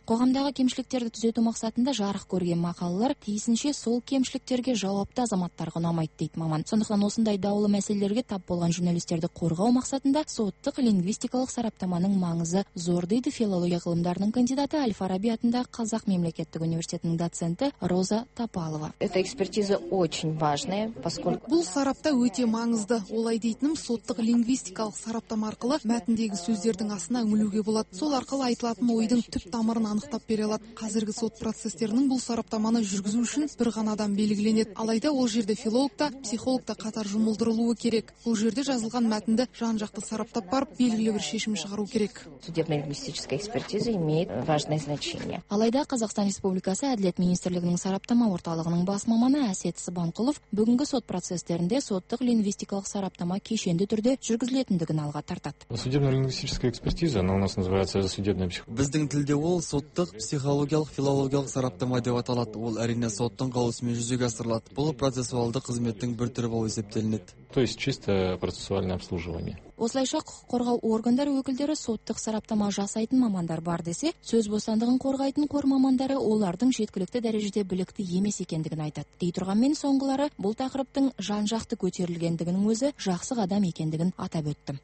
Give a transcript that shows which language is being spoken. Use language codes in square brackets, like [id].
[kk] Қоғамдағы кемшіліктерді түзету мақсатында жарық көрген мақалалар тиісінше сол кемшіліктерге жауапты азаматтарға ұнамайды, дейді маман. Сондықтан осындай даулы мәселелерге тап болған журналистерді қорғау мақсатында соттық лингвистикалық сараптаманың маңызы зор, дейді филология ғылымдарының кандидаты Әл-Фараби атындағы Қазақ мемлекеттік университетінің доценті Роза Тапалова. [ru] Эта экспертиза очень важная, поскольку [kk] бұл сараптама өте маңызды. Олай дейтінім, соттық лингвистикалық сараптама арқылы мәтіндегі сөздер дің астына үңілуге болады. Сол арқылы айтылатын ойдың түп тамырын анықтап бере алады. Қазіргі сот процестерінің бұл сараптаманы жүргізу үшін бір ғана адам белгіленеді. Алайда ол жерде филолог та, психолог та қатар жұмылдырылуы керек. Бұл жерде жазылған мәтінді жан-жақты сараптап барып, белгілі бір шешім шығару керек. [ru] Судебно-лингвистическая экспертиза имеет важное значение. [kk] Алайда Қазақстан Республикасы Әділет министрлігінің сараптама орталығының бас маманы Әсет Сыбанқұлов бүгінгі сот процестерінде соттық лингвистикалық сараптама кешенді түрде жүргізілетіндігін алға тартады. [ru] Экспертиза, она у нас называется судебная психология. [kk] Біздің тілде ол соттық психологиялық филологиялық сараптама деп аталады. Ол әрине соттың қаулысымен жүзеге асырылады. Бұл процессуалды қызметтің бір түрі болып есептелінеді. [ru] То есть чисто процессуальное обслуживание. [kk] Осылайша құқық қорғау органдары өкілдері соттық сараптама жасайтын мамандар бар десе, сөз бостандығын қорғайтын қор мамандары олардың жеткілікті дәрежеде білікті емес екендігін айтады. Дей тұрғанмен соңғылары бұл тақырыптың жан-жақты көтерілгендігінің өзі жақсы қадам екендігін атап өтті.